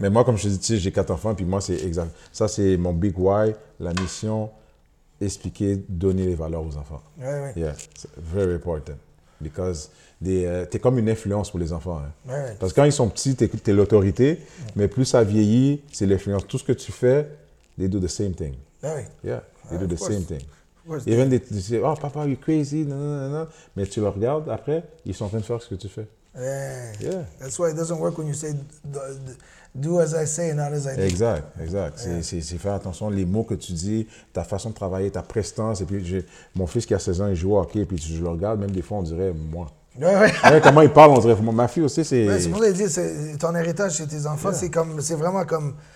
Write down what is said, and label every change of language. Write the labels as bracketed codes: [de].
[fr] Mais moi, comme je te dis, tu sais, j'ai quatre enfants, puis moi, c'est exact. Ça, c'est mon [en] big why, [fr] la mission, expliquer, donner les valeurs aux enfants. Oui, oui. [en] Yeah, it's very important. Because [fr] t'es comme une influence pour les enfants. Hein. [en] Right. [fr] Parce que quand ils sont petits, t'es l'autorité, mais plus ça vieillit, c'est l'influence. Tout ce que tu fais, [en] they do the same thing. Yeah, they do the same thing. Even they say, oh, papa, you're crazy, non. [fr] Mais tu le regardes après, ils sont en train de faire ce que tu fais. [en] Yeah. That's why it doesn't work when you say, do as I say, not as I do. Exact. Yeah. [fr] C'est faire attention, les mots que tu dis, ta façon de travailler, ta prestance. Et puis, mon fils qui a 16 ans, il joue au hockey, puis je le regarde, même des fois, on dirait moi. Ouais, comment il parle, on dirait moi. Ma fille aussi, c'est... Ouais, c'est pour ça que c'est ton héritage chez tes enfants, c'est vraiment comme...